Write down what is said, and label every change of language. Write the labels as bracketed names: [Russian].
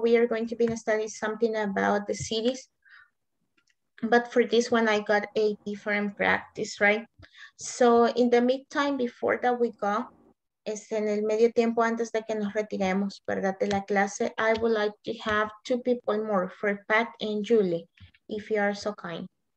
[English] We are going to be studying something about the cities. But for this one, I got a different practice, right? So in the meantime, before that we go, [Spanish] en el medio tiempo antes de que nos retiremos, ¿verdad? De la clase, [English] I would like to have two people more for Pat and Julie, if you are so kind.